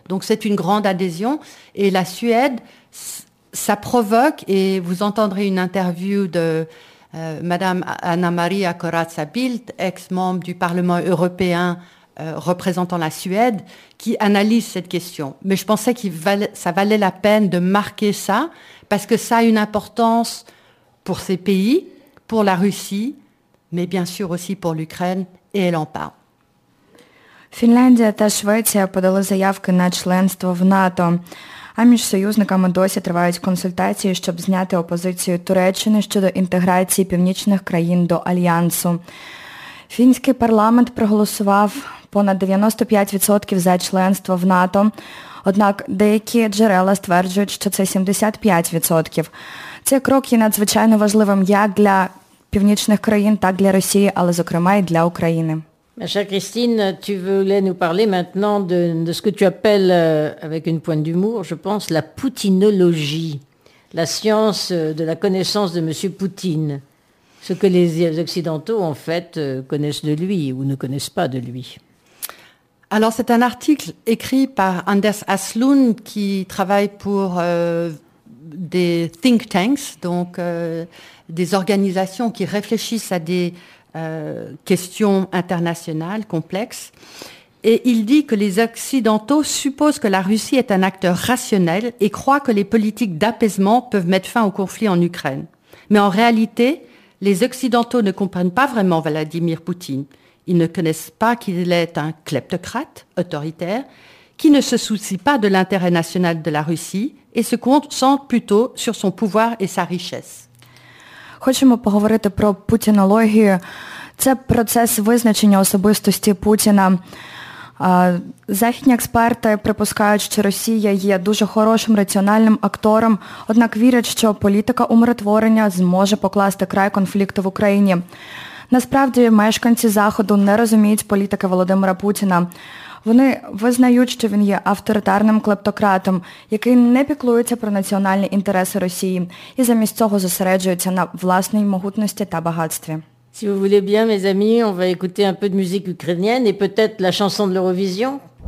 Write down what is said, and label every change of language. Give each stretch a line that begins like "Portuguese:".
French: Donc c'est une grande adhésion. Et la Suède, ça provoque, et vous entendrez une interview de Madame Anna-Maria Corazza Bildt, ex-membre du Parlement européen représentant la Suède, qui analyse cette question. Mais je pensais que ça valait la peine de marquer ça, parce que ça a une importance pour ces pays, pour la Russie, mais bien sûr aussi pour l'Ukraine, et elle en parle.
Ukrainian: Фінляндія та Швеція подали заявки на членство в НАТО. А між союзниками досі тривають консультації, щоб зняти опозицію Туреччини щодо інтеграції північних країн до Альянсу. Фінський парламент проголосував понад 95% за членство в НАТО, однак деякі джерела стверджують, що це 75%. Цей крок є надзвичайно важливим як для північних країн, так для Росії, але, зокрема, і для України.
French: Ma chère Christine, tu voulais nous parler maintenant de ce que tu appelles, avec une pointe d'humour, je pense, la poutinologie, la science de la connaissance de M. Poutine, ce que les Occidentaux, en fait, connaissent de lui ou ne connaissent pas de lui. Alors, c'est un article écrit par Anders Aslund, qui travaille pour des think tanks, donc des organisations qui réfléchissent à des... questions internationales complexes. Et il dit que les Occidentaux supposent que la Russie est un acteur rationnel et croient que les politiques d'apaisement peuvent mettre fin au conflit en Ukraine. Mais en réalité, les Occidentaux ne comprennent pas vraiment Vladimir Poutine. Ils ne connaissent pas qu'il est un kleptocrate autoritaire qui ne se soucie pas de l'intérêt national de la Russie et se concentre plutôt sur son pouvoir et sa richesse.
Ukrainian: Хочемо поговорити про путінологію. Це процес визначення особистості Путіна. Західні експерти припускають, що Росія є дуже хорошим раціональним актором, однак вірять, що політика умиротворення зможе покласти край конфлікту в Україні. Насправді, мешканці Заходу не розуміють політики Володимира Путіна. Вони визнають, що він є авторитарним клептократом, який не піклується про національні інтереси Росії і замість цього зосереджується на власній могутності та багатстві.
French: Si vous voulez bien, mes amis, on va écouter un peu de musique ukrainienne et peut-être la chanson de l'Eurovision.